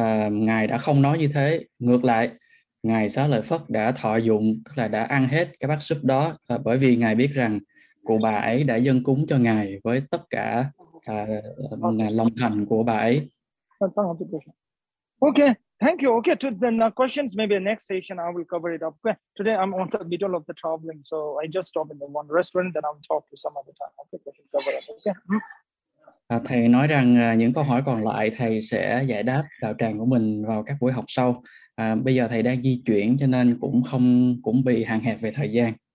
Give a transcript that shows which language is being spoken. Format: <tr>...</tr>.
<vi>Ngài đã không nói như thế. Ngược lại, ngài Xá Lợi Phất đã thọ dụng, tức là đã ăn hết cái bát súp đó, bởi vì ngài biết rằng cụ bà ấy đã dâng cúng cho ngài với tất cả lòng thành của bà ấy.</vi> <en>Okay, thank you. Okay, to the questions, maybe the next session I will cover it up. Okay. Today I'm on the middle of the traveling, so I just stop in the one restaurant, then I'll talk to some other time. Okay, we can cover it. Okay.</en> <vi>Thầy nói rằng những câu hỏi còn lại thầy sẽ giải đáp đạo tràng của mình vào các buổi học sau. Bây giờ thầy đang di chuyển cho nên cũng bị hạn hẹp về thời gian.</vi>